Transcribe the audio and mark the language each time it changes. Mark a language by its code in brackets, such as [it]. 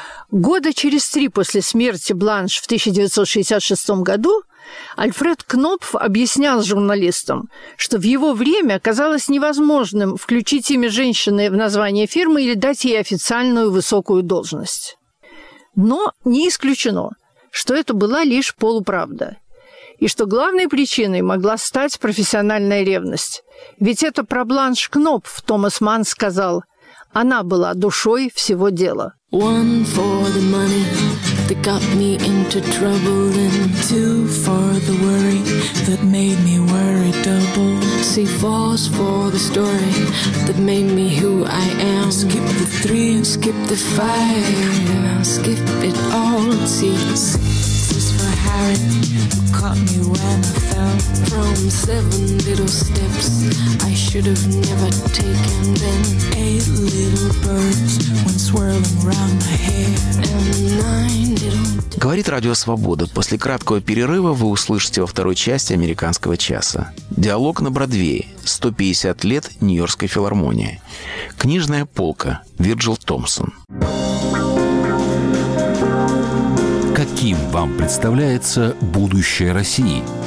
[ru] Года через три после смерти Бланш в 1966 году Альфред Кнопф объяснял журналистам, что в его время казалось невозможным включить имя женщины в название фирмы или дать ей официальную высокую должность. Но не исключено, что это была лишь полуправда. И что главной причиной могла стать профессиональная ревность. Ведь это про Бланш Кнопф Томас Манн сказал. Она была душой всего дела. [en] One for the money that got me into trouble, and two for the worry that made me worry double. See, four's for the story that made me who I am. Skip the three and skip the five, and I'll skip it all. See, six is for Harry, caught me when I fell from seven little steps I should have never taken. Then eight little birds went swirling round my hair, and nine little... [ru] Говорит Радио Свобода. После краткого перерыва вы услышите во второй части «Американского часа». Диалог на Бродвее. 150 лет Нью-Йоркской филармонии. Книжная полка. Вирджил Томпсон. Каким вам представляется будущее России?